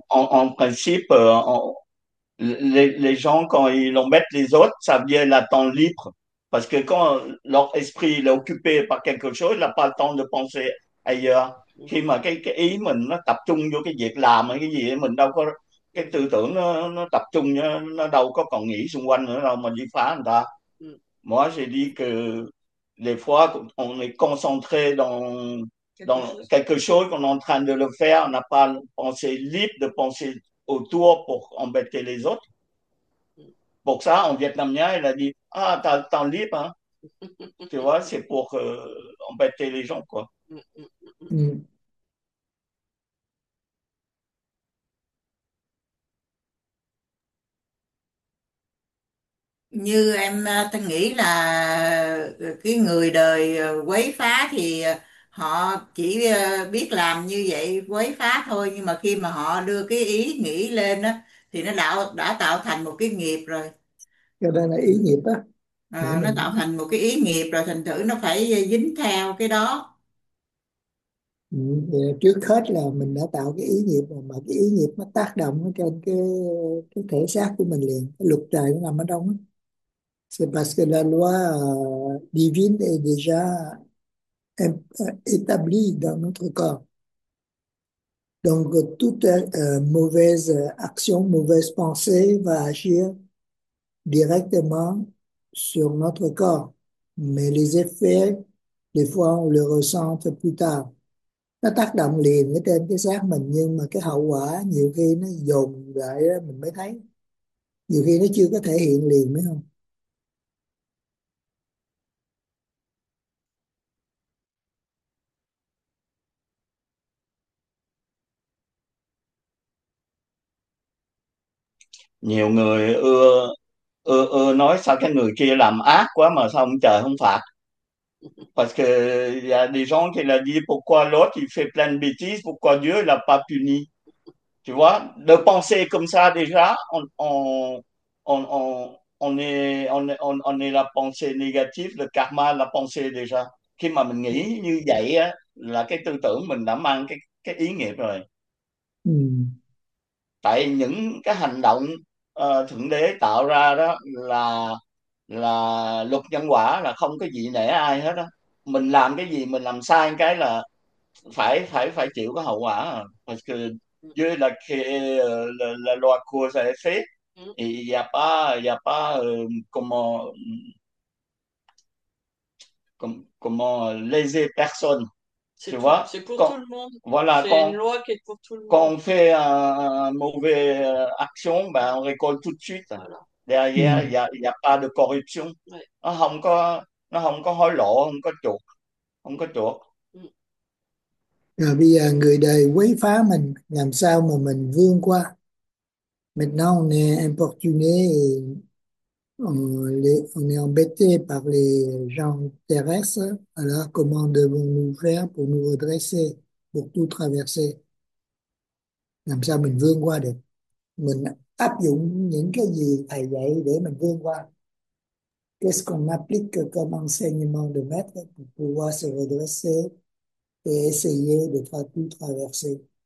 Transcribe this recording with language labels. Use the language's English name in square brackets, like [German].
[French] En principe, les gens, quand ils embêtent les autres, ça vient le temps libre. Parce que quand leur esprit est occupé par quelque chose, il n'a pas le temps de penser ailleurs. [Vietnamese] Khi mà cái ý mình nó tập trung vô cái việc làm hay cái gì, mình đâu có cái tư tưởng nó tập trung, nó đâu có còn nghĩ xung quanh nữa đâu mà đi phá người ta. [French] Moi, j'ai dit que des fois, on est concentré dans quelque chose qu'on est en train de le faire, on n'a pas pensé libre de penser autour pour embêter les autres. Pour ça, en vietnamien, il a dit, ah, t'as le temps libre, hein? Tu vois, c'est pour embêter les gens, quoi. [Vietnamese] Như em ta nghĩ là cái người đời quấy phá thì họ chỉ biết làm như vậy quấy phá thôi, nhưng mà khi mà họ đưa cái ý nghĩ lên đó thì nó đã tạo thành một cái nghiệp rồi. Cái đây là ý nghiệp á, nghĩa Nó tạo thành một cái ý nghiệp rồi, thành thử nó phải dính theo cái đó. là trước hết là mình đã tạo cái ý nghiệp rồi, mà cái ý nghiệp nó tác động trên cái thể xác của mình liền, cái luật trời nó nằm ở trong đó. [French] C'est parce que la loi divine est déjà établie dans notre corps. Donc toute mauvaise action, mauvaise pensée va agir directement sur notre corps. Mais les effets, des fois, on le ressent plus tard. [Vietnamese] Nó tác động liền ở trên cái xác mình, nhưng mà cái hậu quả nhiều khi nó dồn lại đó, mình mới thấy. Nhiều khi nó chưa có thể hiện liền, phải không? Nhiều người ưa nói sao cái người kia làm ác quá mà sao ông trời không phạt. [French] Parce que y a des gens qui l'a dit pourquoi l'autre il fait plein de bêtises, pourquoi Dieu l'a pas puni. Tu vois, de penser comme ça déjà, on est la pensée négative, le karma, la pensée déjà. [Vietnamese] Khi mà mình nghĩ như vậy á, là cái tư tưởng mình đã mang cái ý nghiệp rồi. Tại những cái hành động Thượng Đế tạo ra đó là luật nhân quả, là không có gì nể ai hết đó. Mình làm cái gì, mình làm sai cái là phải phải phải chịu cái hậu quả. [French] Parce que Dieu la loi cause et effet, il y a pas comment léser personne, tu vois. C'est pour tout Quand le monde. voilà, C'est une loi qui est pour tout le quand monde. on fait une mauvaise action, ben on récolte tout de suite. Voilà. Derrière, il y a pas de corruption. [Vietnamese] Nó không có hối lộ, không có chuộc, không có chuộc. Rồi bây giờ người đời quấy phá mình, làm sao mà mình vươn qua? [French] Maintenant, on est importuné et on est embêté par les gens terrestres. Alors, comment devons-nous faire pour nous redresser, pour tout traverser? [Vietnamese] Làm sao mình vươn qua được? Mình áp dụng những cái gì thầy dạy để mình vươn qua. [French] Qu'est-ce qu'on applique comme enseignement de maître pour pouvoir se redresser et essayer de pas tout traverser.